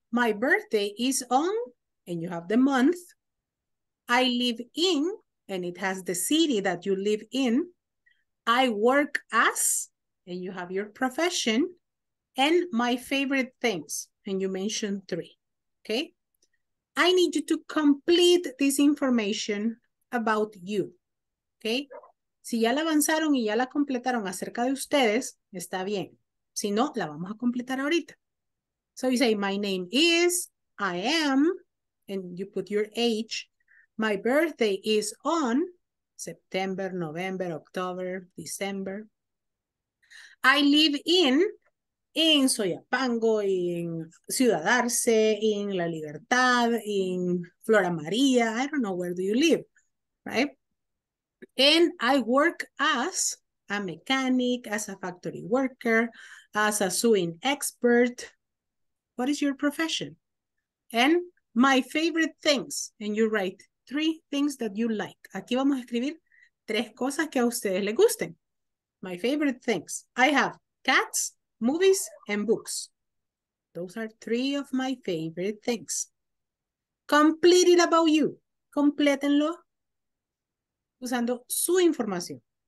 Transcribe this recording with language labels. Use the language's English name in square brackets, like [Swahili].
[English] My birthday is on, and you have the month. I live in, and it has the city that you live in. I work as, and you have your profession, and my favorite things, and you mentioned three, okay? I need you to complete this information about you, okay? [Spanish] Si ya la avanzaron y ya la completaron acerca de ustedes, está bien. Si no, la vamos a completar ahorita. [English] So you say, my name is, I am, and you put your age. My birthday is on September, November, October, December. I live in Soyapango, in Ciudad Arce, in La Libertad, in Flora María. I don't know, where do you live, right? And I work as a mechanic, as a factory worker, as a sewing expert. What is your profession? And my favorite things, and you write three things that you like. [Spanish] Aquí vamos a escribir tres cosas que a ustedes les gusten. [English] My favorite things. I have cats, movies, and books. Those are three of my favorite things. Complete it about you. [Spanish] Complétenlo usando su información.